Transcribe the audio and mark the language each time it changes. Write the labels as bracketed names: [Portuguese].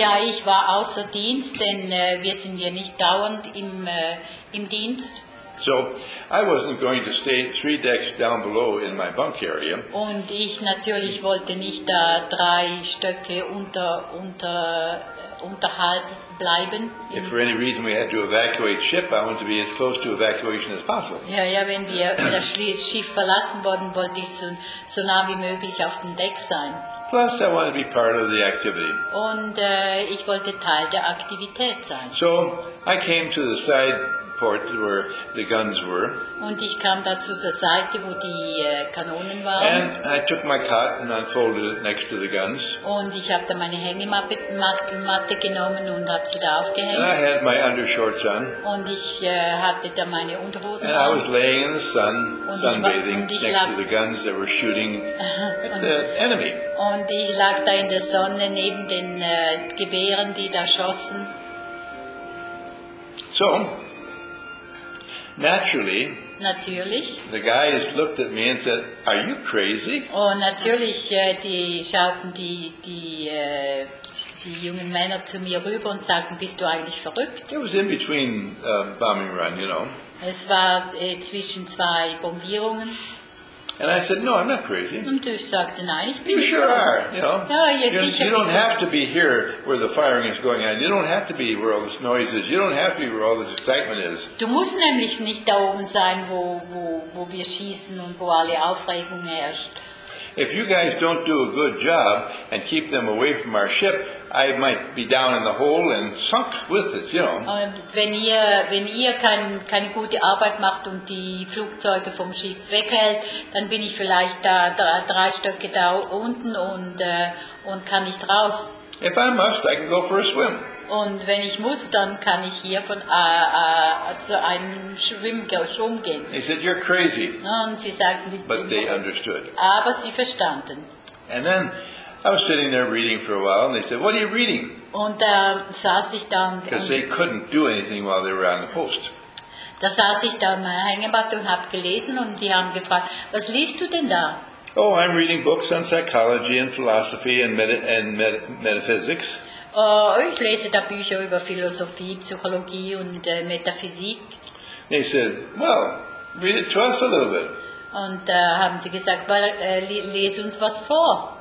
[German] Ja, ich war außer Dienst, denn wir sind ja nicht dauernd im Dienst. [English] So, I wasn't going to stay 3 decks down below in my bunk area. [German] Und ich natürlich wollte nicht da 3 Stöcke unterhalb bleiben. [English] If for any reason we had to evacuate ship, I wanted to be as close to evacuation as possible. [German] Ja, ja, wenn wir das Schiff verlassen wollten, wollte ich so nah wie möglich auf dem Deck sein. [English] Plus, I wanted to be part of the activity. [German] Und ich wollte Teil der Aktivität sein. [English] So, I came to the side port where the guns were. [German] Und ich kam da zu der Seite, wo die Kanonen waren. [English] And I took my cot and unfolded it next to the guns. [German] Und ich habe da meine Hängematte genommen und habe sie da aufgehängt. [English] And I had my undershorts on. [German] Und ich hatte da meine Unterhosen. [English] And I was laying in the sun, sunbathing next to the guns that were shooting at the enemy. [German] Und ich lag da in der Sonne neben den Gewehren, die da schossen. [English] So. Naturally, [German] natürlich. [English] The guys looked at me and said, "Are you crazy?" [German] Oh, natürlich, die schauten die jungen Männer zu mir rüber und sagten, bist du eigentlich verrückt? [English] It was in between bombing run, you know. [German] Es war zwischen zwei Bombierungen. [English] And I said, "No, I'm not crazy." [German] Und ich sagte, nein, ich bin [English] you [German] nicht [English] sure [German] verrückt. [English] Are, you know. [German] Ja, ja, sicher. [English] You don't have to be here where the firing is going on. You don't have to be where all this noise is. You don't have to be where all this excitement is. [German] Du musst nämlich nicht da oben sein, wo wir schießen und wo alle Aufregung herrscht. [English] If you guys don't do a good job and keep them away from our ship, I might be down in the hole and sunk with it, you know. [German] Wenn ihr keine gute Arbeit macht und die Flugzeuge vom Schiff weghält, dann bin ich vielleicht da 3 Stöcke da unten und kann nicht raus. [English] If I must, I can go for a swim. [German] Und wenn ich muss, dann kann ich hier von zu einem Schwimmgerüst umgehen. [English] He said, "You're crazy." [German] Und sie sagten, [English] but they understood. [German] Aber sie verstanden. [English] And then I was sitting there reading for a while, and they said, "What are you reading?" [German] Und da saß ich dann. [English] Because they couldn't do anything while they were on the post. [German] Da saß ich da in meiner Hängematte und habe gelesen, und die haben gefragt, was liest du denn da? [English] Oh, I'm reading books on psychology and philosophy and metaphysics. [German] Ich lese da Bücher über Philosophie, Psychologie und Metaphysik. [English] They said, "Well, read it to us a little bit." [German] Und haben sie gesagt, lese uns was vor.